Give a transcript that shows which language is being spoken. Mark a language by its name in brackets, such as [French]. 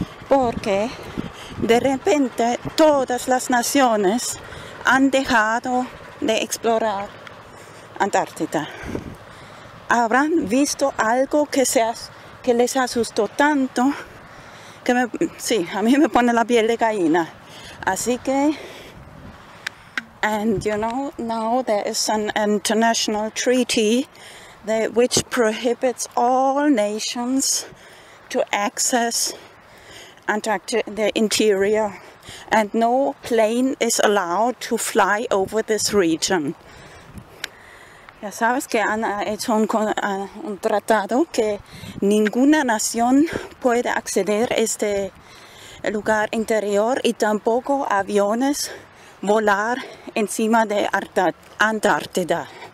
[Spanish] Porque de repente todas las naciones han dejado de explorar Antártida. Habrán visto algo que les asustó tanto que a mí me pone la piel de gallina. Así que, [English] and you know, now there is an international treaty which prohibits all nations to access Antarctica, the interior, and no plane is allowed to fly over this region. [Spanish] Ya sabes que han hecho un tratado que ninguna nación puede acceder a este el lugar interior y tampoco aviones volar encima de Antártida.